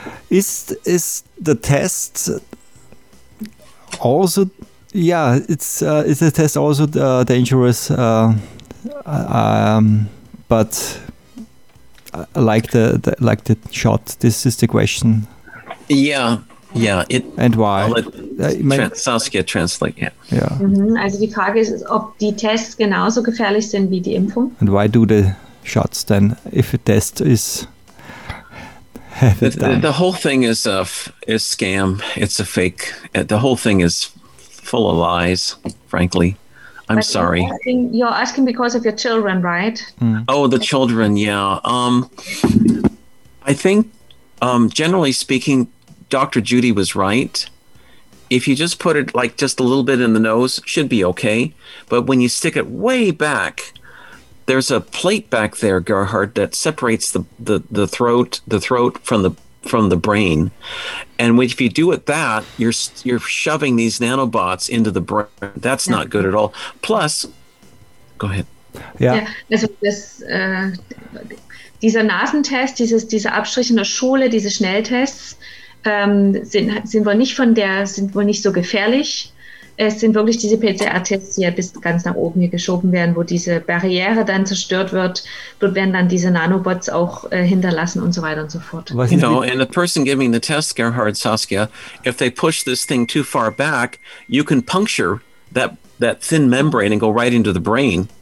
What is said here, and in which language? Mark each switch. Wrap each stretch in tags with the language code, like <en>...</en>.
<en>Is the test also, yeah, is the test also dangerous? But like the shot, this is the question. Yeah, And I'll why? let Saskia translate.</en> <de>Also die Frage ist, ob die Tests genauso gefährlich sind wie die Impfung.</de> <en>And why do the shots then, if a test is have it The done? whole thing is a scam. It's a fake. The whole thing is full of lies, frankly. I'm But sorry. you're asking because of your children, right? Oh, the children, yeah. I think, generally speaking, Dr. Judy was right. if you just put it like just a little bit in the nose, should be okay. But when you stick it way back, there's a plate back there, Gerhard, that separates the throat from the brain. And if you do it that, you're shoving these nanobots into the brain. That's not good at all. Plus, go ahead. Yeah.</en> <de>Also das, dieser Nasentest, dieser Abstrich in der Schule, diese Schnelltests, sind wohl nicht so gefährlich. Es sind wirklich diese PCR-Tests, die ja bis ganz nach oben hier geschoben werden, wo diese Barriere dann zerstört wird. Dort werden dann diese Nanobots auch hinterlassen und so weiter und so fort.</de> <en>You know, and the person giving the test, Gerhard, Saskia, if they push this thing too far back, you can puncture that thin membrane and go right into the brain.</en>